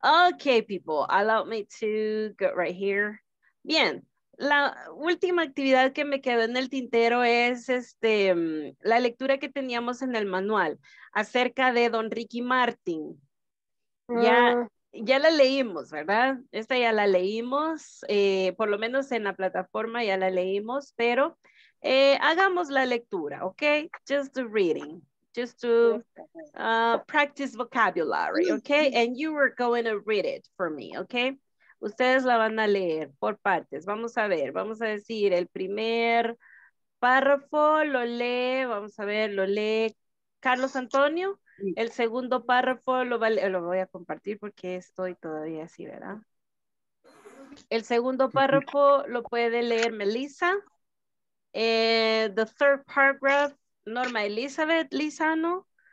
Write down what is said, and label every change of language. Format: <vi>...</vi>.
<en>Okay, people, allow me to go right here.</en> <es>Bien. La última actividad que me quedó en el tintero es la lectura que teníamos en el manual acerca de Don Ricky Martin. Ya la leímos, ¿verdad? Esta ya la leímos, por lo menos en la plataforma ya la leímos, pero hagamos la lectura, ¿ok?</es> <en>Just the reading, just to practice vocabulary, ¿ok? And you were going to read it for me, ¿ok?</en> <es>Ustedes la van a leer por partes. Vamos a decir el primer párrafo, lo lee Carlos Antonio. El segundo párrafo lo voy a compartir porque estoy todavía así, ¿verdad? El segundo párrafo lo puede leer Melissa.</es> <en>The third paragraph,</en> <es>Norma Elizabeth Lizano.</es>